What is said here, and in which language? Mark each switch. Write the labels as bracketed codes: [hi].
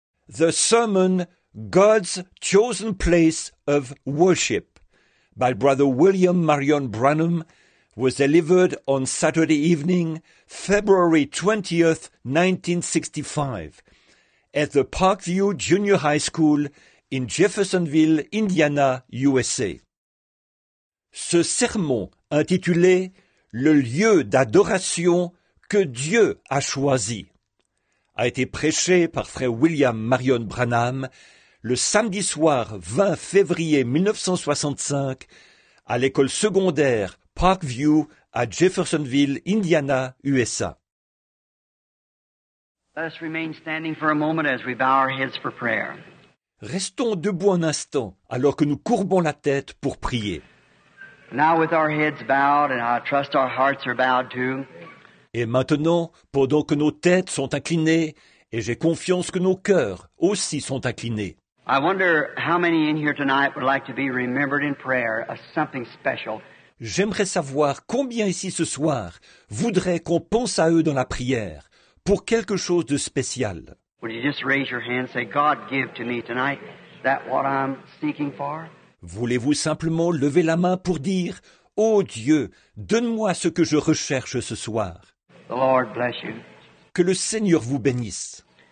[en] the sermon God's Chosen Place of Worship by Brother William Marion Branham was delivered on Saturday evening, February 20th, 1965, at the Parkview Junior High School in Jeffersonville, Indiana, USA. [fr] Ce sermon intitulé « Le lieu d'adoration que Dieu a choisi » a été prêché par Frère William Marion Branham le samedi soir 20 février 1965 à l'école secondaire Parkview à Jeffersonville, Indiana, USA. [en] Let us remain standing for a moment as we bow our heads for prayer. [fr] Restons debout un instant alors que nous courbons la tête pour prier. [en] Now with our heads bowed and I trust our hearts are bowed too. [fr] Et maintenant, pendant que nos têtes sont inclinées, et j'ai confiance que nos cœurs aussi sont inclinés. [en] I wonder how many in here tonight would like to be remembered in prayer as something special. [fr] J'aimerais savoir combien ici ce soir voudraient qu'on pense à eux dans la prière pour quelque chose de spécial. [en] Would you just raise your hand and say, God, give to me tonight that what I'm seeking for? [fr] Voulez-vous simplement lever la main pour dire, ô Dieu, donne-moi ce que je recherche ce soir. [en] The Lord bless you. [fr] Que le Seigneur vous bénisse.